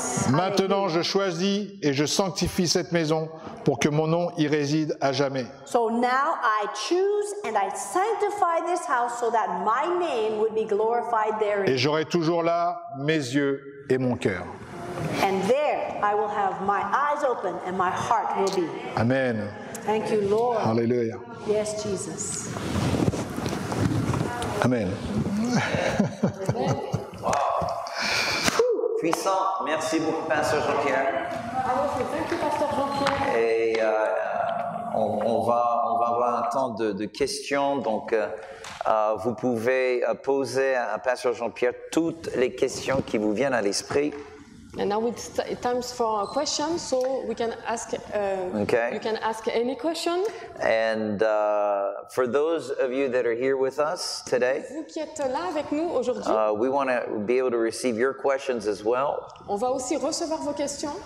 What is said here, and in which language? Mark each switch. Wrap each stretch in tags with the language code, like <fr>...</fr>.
<fr>Maintenant, je choisis et je sanctifie cette maison pour que mon nom y réside à jamais.</fr> <en>So now I choose and I sanctify this house so that my name would be glorified therein.</en> <fr>Et j'aurai toujours là mes yeux et mon cœur.</fr> <en>And there I will have my eyes open and my heart will be. Amen. Thank you, Lord.</en> <fr>Alléluia.</fr> <en>Yes, Jesus. Amen. Wow.</en> <fr>Puissant. Merci beaucoup, Pasteur Jean-Pierre. Et on va avoir un temps de questions. Donc, vous pouvez poser à Pasteur Jean-Pierre toutes les questions qui vous viennent à l'esprit.</fr> <en>And now it's time for a question, so we can ask. Okay. You can ask any question. And for those of you that are here with us today,</en> <fr>vous qui êtes là avec nous aujourd'hui,</fr> <en>we want to be able to receive your questions as well.</en> <fr>On va aussi recevoir vos questions.</fr>